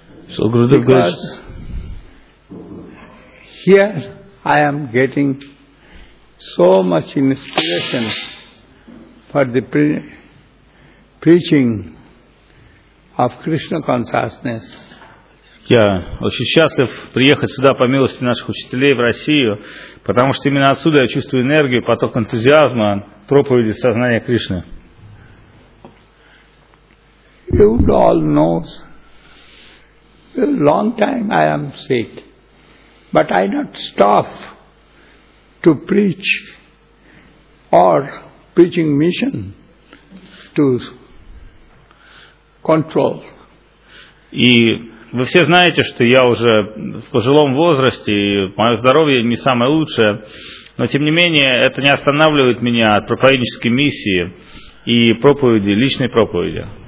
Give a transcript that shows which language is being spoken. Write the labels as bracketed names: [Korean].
[English] So, Gurudev, here I am getting so much inspiration for the preaching of Krishna consciousness. [Russian] Я очень счастлив приехать сюда по милости наших учителей в Россию, потому что именно отсюда я чувствую энергию, поток энтузиазма, проповеди сознания Кришны. [English] You all know, a long time I am sick, but I not stop to preach or preaching mission to control. [Russian] И вы все знаете, что я уже в пожилом возрасте, и мое здоровье не самое лучшее, но тем не менее это не останавливает меня от проповеднической миссии и проповеди, личной проповеди.